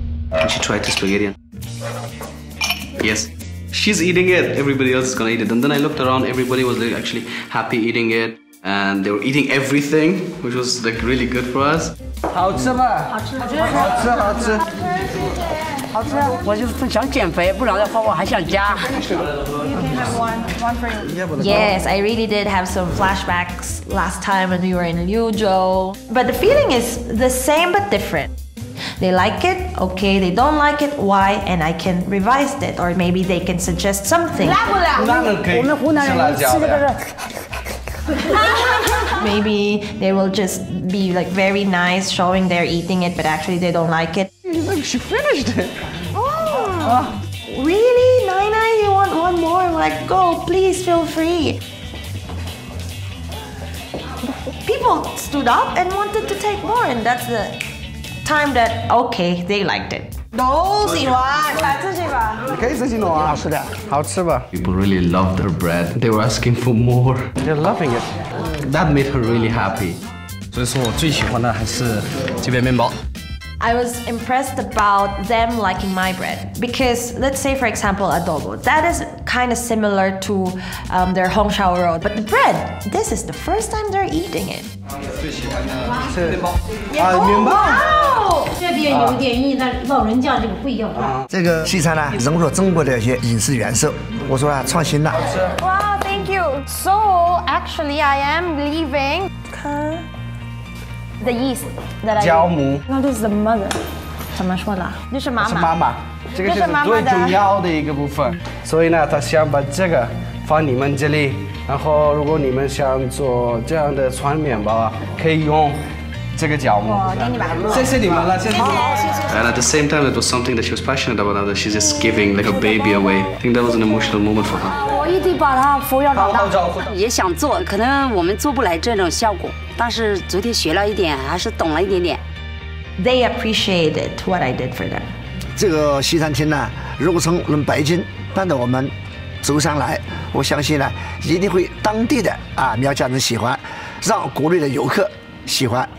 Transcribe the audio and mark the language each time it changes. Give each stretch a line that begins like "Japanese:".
English: And she tried the spaghetti. Yes. She's eating it. Everybody else is gonna eat it. And then I looked around. Everybody was like, actually happy eating it, and they were eating everything, which was like really good for us.
Chinese: 好吃吗？好吃，好吃，好吃，好吃，好吃。我就是想减肥，不然的话我还想加。
English: You can have one for you. Yes, I really did have some flashbacks last time when we were in Liuzhou, but the feeling is the same but different. They like it, okay, they don't like it, why? And I can revise it, or maybe they can suggest something.
Chinese: 辣不辣？湖南人可以，我们湖南人吃这个热。
English: Maybe they will just be like very nice, showing they're eating it, but actually they don't like it. She finished it. Oh, really? Nai Nai, you want one more? Like, go, please feel free. People stood up and wanted to take more, and that's the... time that okay they liked it.
Chinese: 都喜欢，来自己吧。你可以自己弄啊。好吃的，好吃吧。
English: People really loved their bread. They were asking for more. They're loving it. That made her really happy.
Chinese: 所以说我最喜欢的还是这边面包。
English: I was impressed about them liking my bread because let's say for example adobo that is kind of similar to their Hongshao roll but the bread this is the first time they're eating it.
Chinese: 啊，面包。啊，面包。这边有点硬，那老人家这个不一样啊。这个西餐呢，融入了中国的一些饮食元素，我说啊，创新了。
English: 哇 ，Thank you. So actually, I am leaving. Come. The yeast that I
Chinese: 酵母
English: No, this is the mother.
Chinese: 怎么说的？这是妈妈。是妈妈。这个就是最重要的一个部分。所以呢，他想把这个放你们这里。然后，如果你们想做这样的串面包啊，可以用这个酵母。我给你把它录。谢谢你们了，谢谢。谢谢。
English: And at the same time, it was something that she was passionate about. That she's just giving like a baby away. I think that was an emotional moment for her.
Chinese: 我一定把它抚养长大。也想做，可能我们做不来这种效果。但是昨天学了一点，还是懂了一点点。
English: They appreciated what I did for them.
Chinese: 这个西餐厅呢，如果从北京搬到我们舟山来，我相信呢，一定会当地的啊苗家人喜欢，让国内的游客喜欢。